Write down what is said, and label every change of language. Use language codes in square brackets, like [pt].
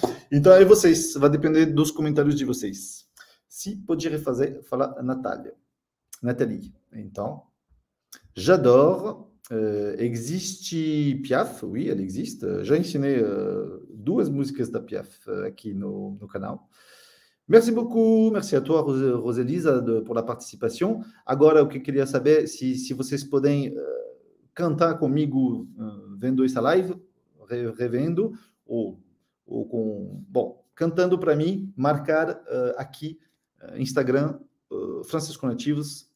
[pt] Então é vocês, vai depender dos comentários de vocês. Se pode refazer, fala Natália. [fr] Nathalie, [pt] então. [fr] J'adore. Existe Piaf? Oui, elle existe. [pt] Já ensinei duas músicas da Piaf aqui no canal. [fr] Merci beaucoup, merci à toi, Roselisa, pour la participation. [pt] Agora, o que eu queria saber, se vocês podem cantar comigo vendo essa live, revendo, ou com... Bom, cantando para mim, marcar aqui, Instagram, Francisco Nativos.